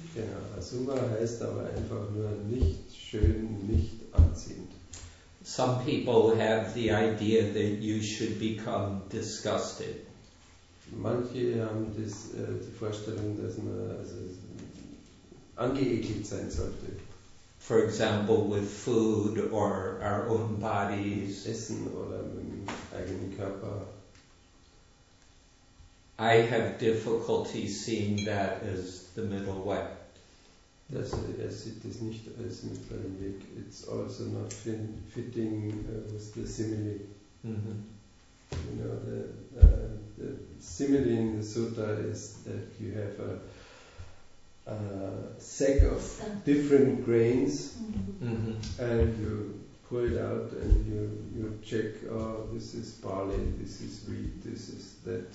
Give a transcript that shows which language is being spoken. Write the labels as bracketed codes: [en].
[de] Genau, a supa heißt aber einfach nur nicht schön, nicht anziehend. [en] Some people have the idea that you should become disgusted. [de] Manche haben die Vorstellung, dass man also angeekelt sein sollte. [en] For example, with food or our own bodies. [de] Essen oder mit dem eigenen Körper. [en] I have difficulty seeing that as the middle way. [de] Dass er sieht es nicht als mittleren Weg. [en] It's also not fitting with the simile. Mm-hmm. You know, the simile in the sutta is that you have a sack of different grains, mm-hmm. and you pull it out and you check, oh, this is barley, this is wheat, this is that.